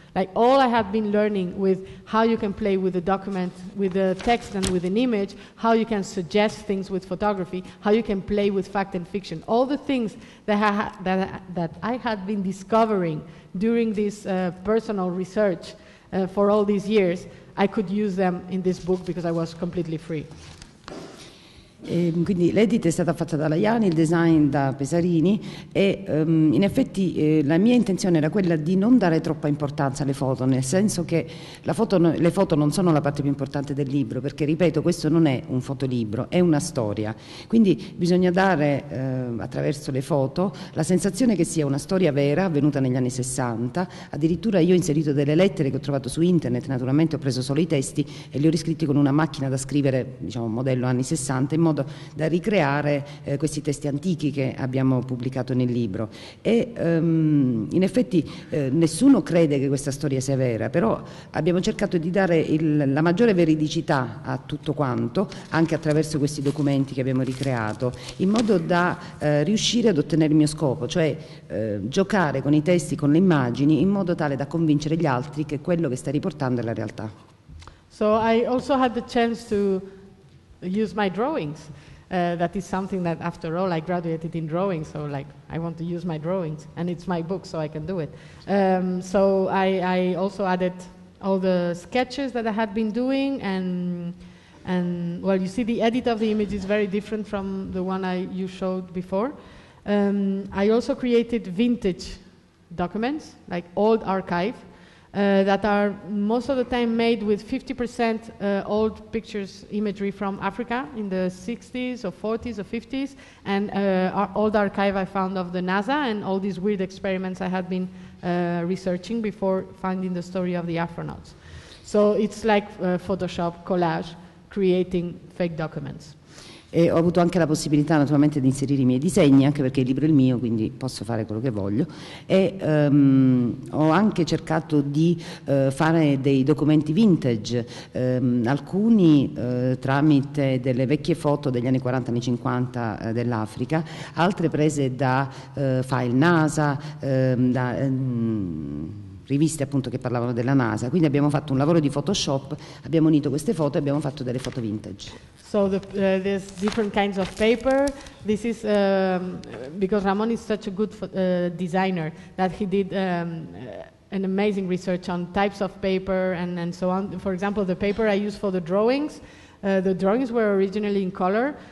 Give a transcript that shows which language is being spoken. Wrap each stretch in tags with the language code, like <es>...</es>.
<en>Like all I have been learning with how you can play with a document, with a text and with an image, how you can suggest things with photography, how you can play with fact and fiction. All the things that I had been discovering during this personal research for all these years, I could use them in this book because I was completely free.</en> <it>Quindi l'edit è stata fatta da Laiani, il design da Pesarini e in effetti la mia intenzione era quella di non dare troppa importanza alle foto, nel senso che le foto non sono la parte più importante del libro, perché ripeto, questo non è un fotolibro, è una storia. Quindi bisogna dare attraverso le foto la sensazione che sia una storia vera avvenuta negli anni 60. Addirittura io ho inserito delle lettere che ho trovato su internet, naturalmente ho preso solo i testi e li ho riscritti con una macchina da scrivere, diciamo modello anni 60, in modo da ricreare questi testi antichi che abbiamo pubblicato nel libro. E in effetti nessuno crede che questa storia sia vera, però abbiamo cercato di dare la maggiore veridicità a tutto quanto, anche attraverso questi documenti che abbiamo ricreato, in modo da riuscire ad ottenere il mio scopo, cioè giocare con i testi, con le immagini, in modo tale da convincere gli altri che quello che sta riportando è la realtà.</it> <en>So I also had the chance to use my drawings. That is something that, after all, I graduated in drawing, so like I want to use my drawings, and it's my book, so I can do it. So I also added all the sketches that I had been doing, and well, you see, the edit of the image is very different from the one you showed before. I also created vintage documents, like old archive, That are most of the time made with 50% old pictures, imagery from Africa in the 60s or 40s or 50s, and old archive I found of the NASA and all these weird experiments I had been researching before finding the story of the astronauts. So it's like Photoshop collage creating fake documents.</en> <it>E ho avuto anche la possibilità naturalmente di inserire i miei disegni, anche perché il libro è il mio, quindi posso fare quello che voglio, e ho anche cercato di fare dei documenti vintage, alcuni tramite delle vecchie foto degli anni 40, anni 50 dell'Africa, altre prese da file NASA, da riviste appunto che parlavano della NASA, quindi abbiamo fatto un lavoro di Photoshop, abbiamo unito queste foto e abbiamo fatto delle foto vintage.</it> <en>So there's different kinds of paper. This is because Ramon is such a good designer that he did an amazing research on types of paper and so on. For example, the paper I use for the drawings were originally in color.</en>